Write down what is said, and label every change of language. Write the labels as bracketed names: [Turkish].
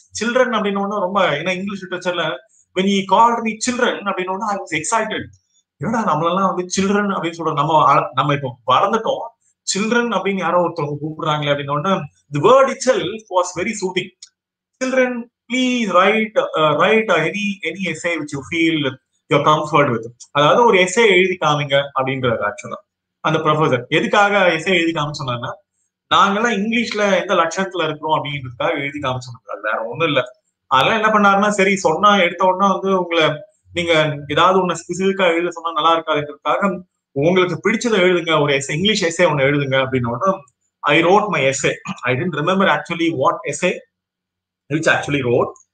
[Tamil] Children அப்படின்னு ரொம்ப ஏன்னா English லிட்டரேச்சர்ல [English] when you called me children [Tamil] அப்படின்னு [English] I was excited [Tamil] ஏன்னா நம்மளெல்லாம் வந்து சில்ட்ரன் அப்படின்னு சொல்றோம் நம்ம இப்போ வளர்ந்துட்டோம் children அப்படின்னு யாரோ ஒருத்தவங்க கூப்பிடுறாங்களே அப்படின்னு [English] the word itself was very soothing. [Tamil] children [English] please write any essay which you feel you're comfort with. [Tamil] அதாவது ஒரு essay எழுதி காமிங்க அப்படிங்கறது ஆக்சுவலா அந்த ப்ரொஃபசர் எதுக்காக essay எழுதி காமிச்சோம்னா நாங்கெல்லாம் இங்கிலீஷ்ல எந்த லட்சணத்துல இருக்கிறோம் அப்படின்றதுக்காக எழுதி காமிச்சோம்னா வேற ஒண்ணும் இல்ல. அதெல்லாம் என்ன பண்ணாருன்னா சரி சொன்னா எடுத்த உடனே வந்து உங்களை நீங்க ஏதாவது ஒண்ணு ஸ்பெசிஃபிக்கா எழுத சொன்னா நல்லா இருக்காதுக்காக உங்களுக்கு பிடிச்சதை எழுதுங்க ஒரு எஸ்ஏ இங்கிலீஷ் எஸ்ஏ ஒன்று எழுதுங்க அப்படின்னோட [English] I wrote my essay I didn't remember actually what essay which actually wrote.